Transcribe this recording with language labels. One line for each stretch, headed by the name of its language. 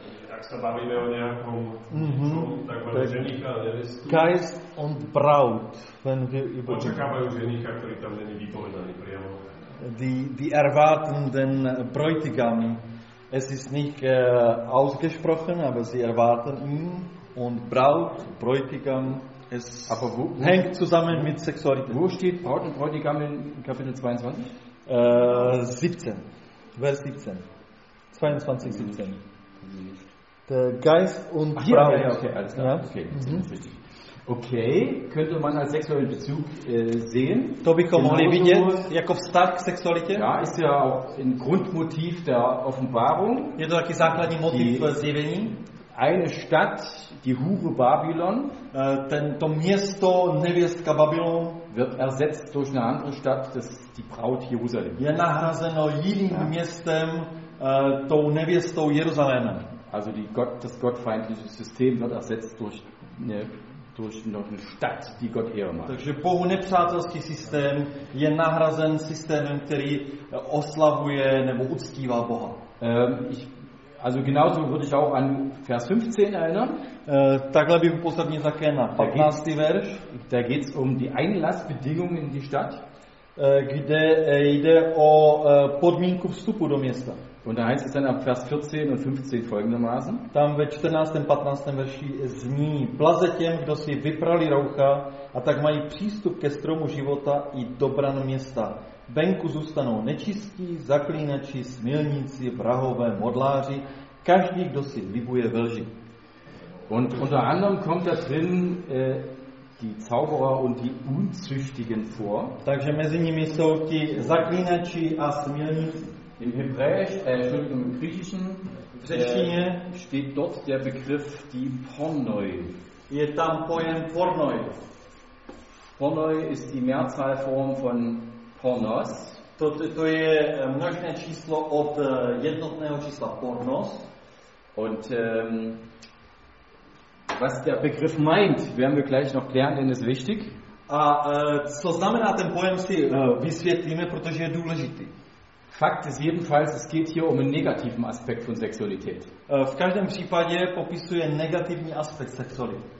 Czech: Jak se bavíme o nějakom takovém ženicha a nevestu.
German: Geist und Braut.
Czech: Očekávají ženicha, který tam není vypovedaný priamo.
German: Die erwarten den Bräutigam. Es ist nicht ausgesprochen, aber sie erwarten ihn. Und Braut, Bräutigam, es aber wo, hängt zusammen mit Sexualität. Wo steht Braut und Bräutigam in Kapitel 22? 17. Vers 17. 22, 17. Der Geist und Braut. Ja, okay, alles klar. Ja. Okay, das ist richtig. Okay, könnte man als sexuellen Bezug sehen.
Czech: To bychom mohli vidět jako vztah k sexualitě.
German: Ja, ist ja auch ein Grundmotiv der Offenbarung.
Czech: Je to taky základní motiv zjevení.
German: Eine Stadt, die Hure Babylon,
Czech: to město nevěstka Babylon,
German: wird ersetzt durch eine andere Stadt, das die Braut Jerusalem.
Czech: Je nahrazeno jiným městem, tou nevěstou Jeruzalémem.
German: Also das gottfeindliche System wird ersetzt durch durch noch eine Stadt, die Gott Ehre macht.
Czech: Takže Bohu nepřátelský systém je nahrazen systémem, který oslavuje nebo uctívá Boha.
German: Also genauso würde ich auch an Vers 15 erinnern.
Czech: Takhle bych upozornil také na 15. verš.
German: Da geht's um die Einlassbedingungen in die Stadt.
Czech: Kde jde o podmínku vstupu do města.
German: Und da heißt es dann ab Vers 14 und 15 folgendermaßen.
Czech: Tam ve 14. 15. verši zní: Blaze těm, kdo si vyprali roucha, a tak mají přístup ke stromu života i do bran města. Venku zůstanou nečistí, zaklínači, smilníci, vrahové, modláři, každý, kdo si libuje ve lži.
German: Und unter anderem kommt da drin die Zauberer und die Unzüchtigen vor.
Czech: Takže mezi nimi jsou ti zaklínači a smilníci.
German: Im Hebräisch, im Griechischen,
Czech: v řečtině
German: steht dort der Begriff die Pornoi.
Czech: Je tam pojem Pornoi.
German: Pornoi ist die Mehrzahlform von Pornos.
Czech: To je množné číslo od jednotného čísla pornos.
German: Und was der Begriff meint, werden wir gleich noch klären, denn ist wichtig.
Czech: A co znamená ten pojem si vysvětlíme, protože je důležitý.
German: Fakt ist jedenfalls, es geht hier um einen negativen Aspekt von Sexualität.
Czech: V každém případě popisuje negativní aspekt sexuality.